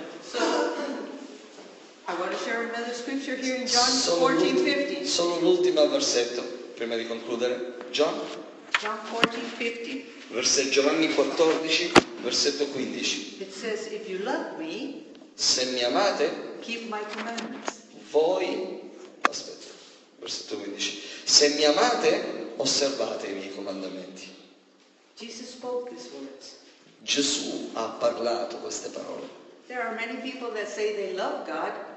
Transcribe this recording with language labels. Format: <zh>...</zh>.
<en>So, I want to share another scripture here in John 14:50.</en> <it>Solo l'ultimo versetto prima di concludere.</it> <en>John. John 14:50.</en> <it>Versetto Giovanni 14, versetto 15.</it> <en>It says, if you love me,</en> <it>se mi amate,</it> <en>keep my commandments.</en> <it>Voi, aspetta, versetto 15. Se mi amate, osservate i miei comandamenti.</it> <en>Jesus spoke these words.</en> <it>Gesù ha parlato queste parole.</it> <en>There are many people that say they love God.</en>